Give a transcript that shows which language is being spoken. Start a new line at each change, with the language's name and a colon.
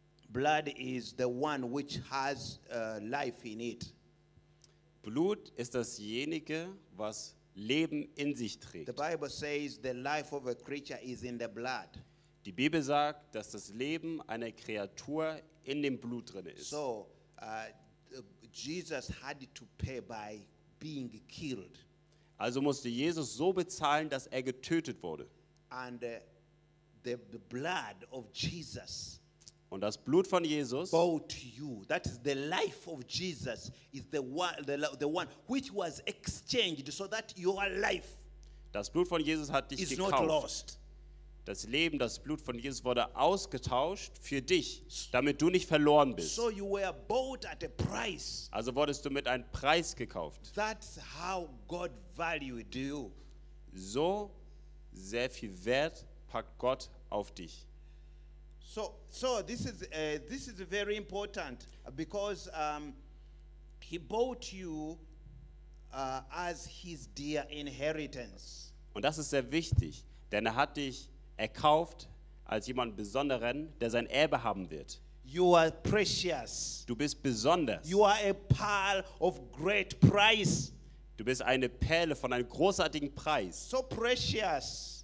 English: Blood is the one which has life in it.
German: Blut ist dasjenige, was Leben in sich trägt.
English: The Bible says the life of a creature is in the blood.
German: Die Bibel sagt, dass das Leben einer Kreatur in dem Blut drin ist.
English: So, Jesus had to pay by being killed.
German: Also musste Jesus so bezahlen, dass er getötet wurde.
English: And the blood of Jesus.
German: Und das Blut von Jesus.
English: Bought you. That is the life of Jesus is the one which was exchanged so that your life.
German: Das Blut von Jesus hat dich gekauft.
English: Is not lost.
German: Das Leben, das Blut von Jesus wurde ausgetauscht für dich, damit du nicht verloren bist.
English: So you were bought at a price.
German: Also wurdest du mit einem Preis gekauft.
English: That's how God valued you.
German: So sehr viel Wert packt Gott auf dich.
English: So this is very important because he bought you as his dear inheritance.
German: Und das ist sehr wichtig, denn er hat dich erkauft als jemand Besonderen, der sein Erbe haben wird.
English: You are precious.
German: Du bist besonders.
English: You are a pearl of great price.
German: Du bist eine Perle von einem großartigen Preis.
English: So precious.